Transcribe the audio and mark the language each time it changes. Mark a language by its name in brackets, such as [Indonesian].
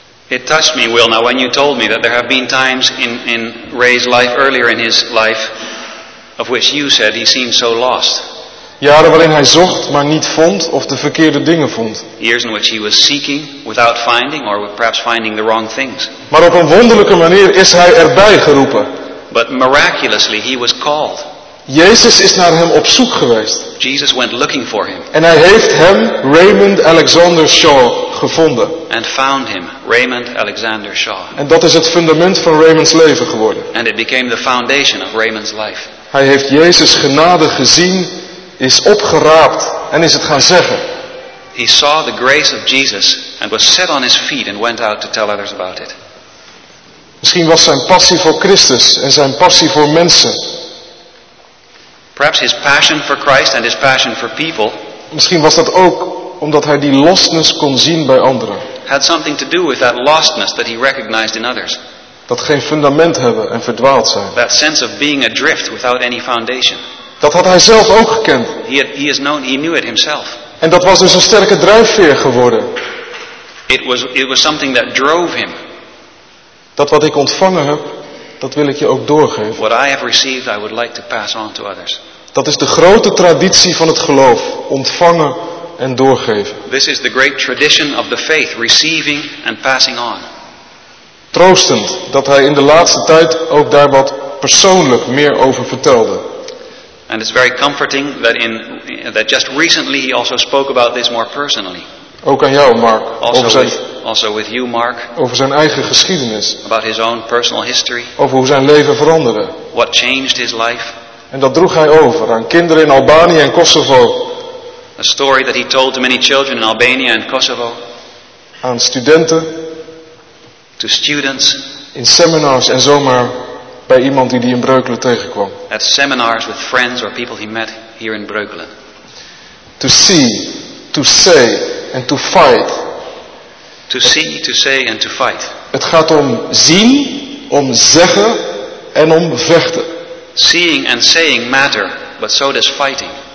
[English] It touched me, Wilma, when you told me that there have been times in Ray's life, earlier in his life, of which you said he seemed so lost. [Dutch] Jaren waarin hij zocht, maar niet vond, of de verkeerde dingen vond. [English] Years in which he was seeking without finding, or perhaps finding the wrong things. [Dutch] Maar op een wonderlijke manier is hij erbij geroepen. [English] But miraculously he was called. [Dutch] Jezus is naar hem op zoek geweest. [English] Jesus went looking for him. [Dutch] En hij heeft hem Raymond Alexander Shaw gevonden. [English] And found him, Raymond Alexander Shaw. [Dutch] En dat is het fundament van Raymond's leven geworden. [English] And it became the foundation of Raymond's life. [Dutch] Hij heeft Jezus genade gezien, is opgeraapt en is het gaan zeggen. [English] He saw the grace of Jesus and was set on his feet and went out to tell others about it. [Dutch] Misschien was zijn passie voor Christus en zijn passie voor mensen. [English] Perhaps his passion for Christ and his passion for people. [Dutch] Misschien was dat ook omdat hij die lostness kon zien bij anderen. [English] Had something to do with that lostness that he recognized in others. [Dutch] Dat geen fundament hebben en verdwaald zijn. [English] That sense of being adrift without any foundation. [Dutch] Dat had hij zelf ook gekend. [English] He knew it himself. [Dutch] En dat was dus een sterke drijfveer geworden. [English] It was something that drove him. [Dutch] Dat wat ik ontvangen heb, dat wil ik je ook doorgeven. [English] What I have received, I would like to pass on to others. [Dutch] Dat is de grote traditie van het geloof, ontvangen en doorgeven. [English] This is the great tradition of the faith, receiving and passing on. [Dutch] Troostend dat hij in de laatste tijd ook daar wat persoonlijk meer over vertelde. [English] And it's very comforting that that just recently he also spoke about this more personally. [Dutch] Ook aan jou, Mark. [English] Also with you, Mark. [Dutch] Over zijn eigen geschiedenis. [English] About his own personal history. [Dutch] Over hoe zijn leven veranderde. [English] What changed his life. [Dutch] En dat droeg hij over aan kinderen in Albanië en Kosovo. [English] A story that he told to many children in Albania and Kosovo. [Dutch] Aan studenten. [English] To students. [Dutch] In seminars en zomaar bij iemand die in Breukelen tegenkwam. [English] At seminars with friends or people he met here in Breukelen. To see, to say and to fight. To see, to say and to fight. [Dutch] Het gaat om zien, om zeggen en om vechten. [English] Seeing and saying matter, but so does fighting.